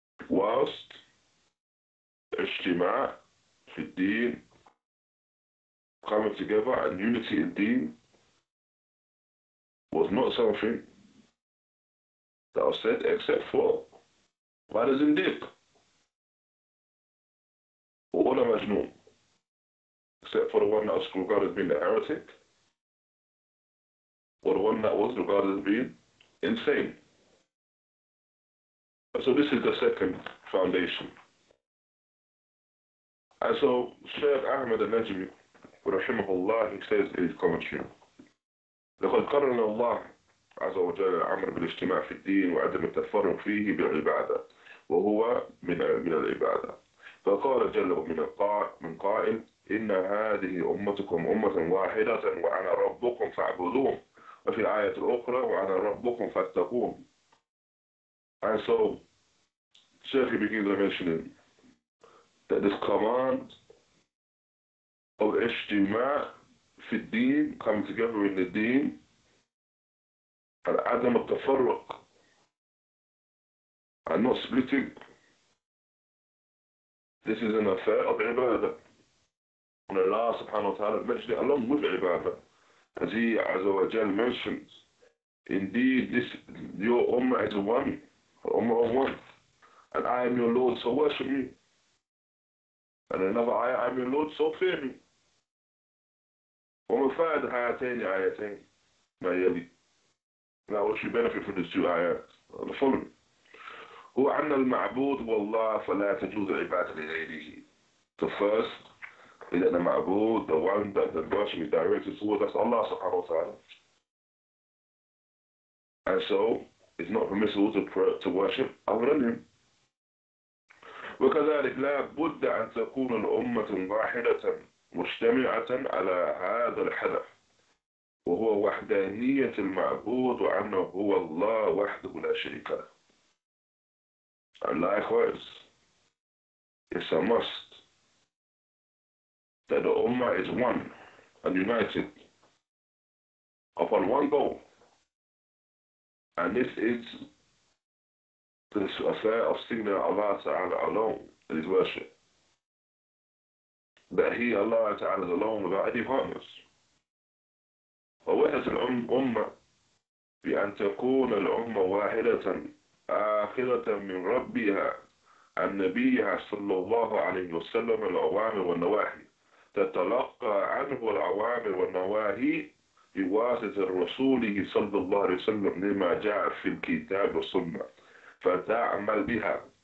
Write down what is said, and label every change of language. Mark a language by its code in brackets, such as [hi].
[en] Whilst ijtima' fi al-deen, coming together and unity in deen, was not something that was said except for what is indeed all imaginable, except for the one that was regarded as being the heretic, or the one that was regarded as being insane. And so this is the second foundation. And so Shaykh Ahmed al-Najmi, rahimahullah, he says in his commentary, [ar] لقد قرن الله عز وجل الأمر بالاجتماع في الدين وعدم التفرق فيه بالعبادة وهو من العبادة. فقال جل من قائل: إن هذه أمتكم أمة واحدة وأنا ربكم فاعبدون. وفي الآية الأخرى: وأنا ربكم فاتقون. [en] And so, Sheikh begins by mentioning that this command of ijtima' fi al-deen, coming together in the deen, and adam al-tafarruq, and not splitting, this is an affair of ibadah. And Allah subhanahu wa ta'ala mentioned it along with ibadah. As he azza wa jal mentions, indeed this your ummah is one, the ummah of one, and I am your Lord, so worship me. And another ayah, I am your Lord, so fear me. [ar] ومفاد هاتين آيتين ما يلي. [en] Now what should benefit from these two ayahs? The following. [ar] هو أن المعبود والله فلا تجوز عبادة لغيره. [en] The first is that the معبود, the one that the worship is directed towards, that's Allah سبحانه وتعالى. And so, it's not permissible to worship other than him. [ar] وكذلك لا بد أن تكون الأمة واحدة مجتمعة على هذا الحدث وهو وحدانية المعبود وأنه هو الله وحده لا شريك له. [en] And likewise, it's a must that the Ummah is one and united upon one goal. And this is this affair of singing Allah Ta'ala alone in his worship. That he, Allah Ta'ala, is alone without any partners. [ar] فوحدة الأمة بأن تكون الأمة واحدة آخرة من ربها عن نبيها صلى الله عليه وسلم الأوامر والنواهي تتلقى عنه الأوامر والنواهي بواسطة رسوله صلى الله عليه وسلم لما جاء في الكتاب والسنة فتعمل بها.